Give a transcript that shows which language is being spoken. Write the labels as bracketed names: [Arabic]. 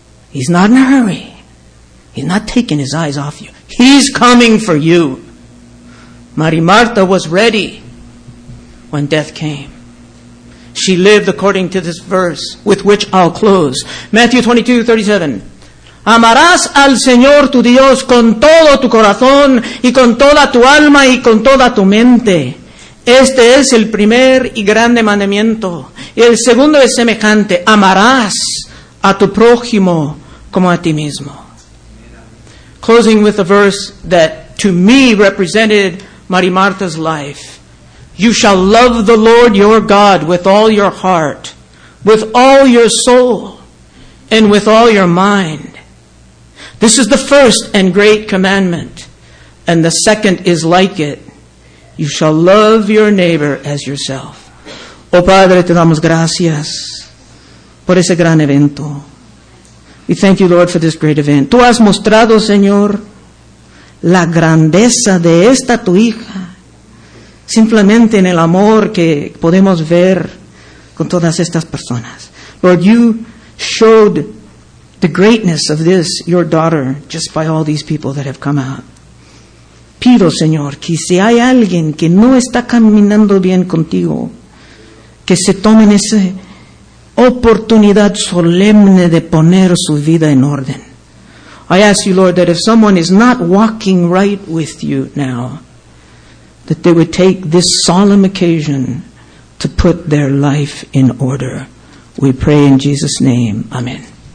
[English] He's not in a hurry. He's not taking his eyes off you. He's coming for you. Mari Marta was ready when death came. She lived according to this verse, with which I'll close. Matthew 22:37. [Spanish] Amarás al Señor tu Dios con todo tu corazón, y con toda tu alma, y con toda tu mente. Este es el primer y grande mandamiento. Y el segundo es semejante. Amarás a tu prójimo como a ti mismo. [English] Closing with a verse that to me represented Mari Marta's life. You shall love the Lord your God with all your heart, with all your soul, and with all your mind. This is the first and great commandment, and the second is like it. You shall love your neighbor as yourself. [Spanish] Oh Padre, te damos gracias por ese gran evento. [English] We thank you, Lord, for this great event. [Spanish] Tú has mostrado, Señor, la grandeza de esta tu hija. simplemente en el amor que podemos ver con todas estas personas. [English] Lord, you showed the greatness of this, your daughter, just by all these people that have come out. [Spanish] Pido, Señor, que si hay alguien que no está caminando bien contigo, que se tomen esa oportunidad solemne de poner su vida en orden. [English] I ask you, Lord, that if someone is not walking right with you now, that they would take this solemn occasion to put their life in order. We pray in Jesus' name. Amen.